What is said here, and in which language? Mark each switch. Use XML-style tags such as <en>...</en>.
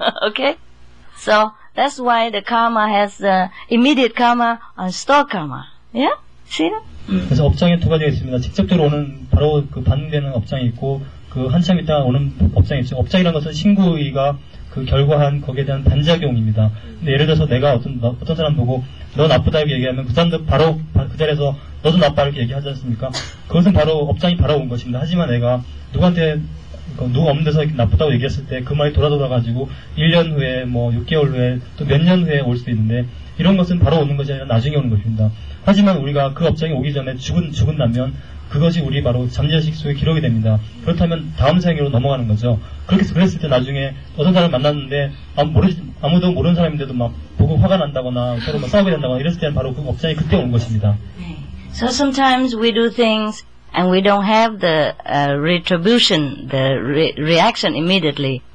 <en>Okay? So that's why the karma has the immediate karma and stored karma. Yeah? See that?</en> <ko>그래서 업장이 두 가지가 있습니다. 직접적으로 오는 바로 그 반응되는 업장이 있고 그 한참 있다 오는 업장이 있죠. 업장이라는 것은 신구의가 그 결과한 거기에 대한 반작용입니다. 근데 예를 들어서 내가 어떤 사람 보고 너 나쁘다 이렇게 얘기하면 그 사람도 바로 그 자리에서 너도 나빠 이렇게 얘기하지 않습니까? 그것은 바로 업장이 바라온 것입니다. 하지만 내가 누구한테 누가 없는 데서 이렇게 나쁘다고 얘기했을 때 그 말이 돌아가지고 1년 후에 뭐 6개월 후에 또 몇 년 후에 올 수도 있는데 이런 것은 바로 오는 것이 아니라 나중에 오는 것입니다. 하지만 우리가 그 업장이 오기 전에 죽은다면 그것이 우리 바로 잠재의식 속에 기록이 됩니다. 그렇다면 다음 생으로 넘어가는 거죠. 그렇게 그랬을 때 나중에 어떤 사람을 만났는데 아무도 모르는 사람인데도 막 보고 화가 난다거나 서로 막 싸우게 된다거나 이랬을 때는 바로 그 업장이 그때 오는 것입니다.</ko> <en>So sometimes we do things and we don't have the retribution, the reaction immediately.</en>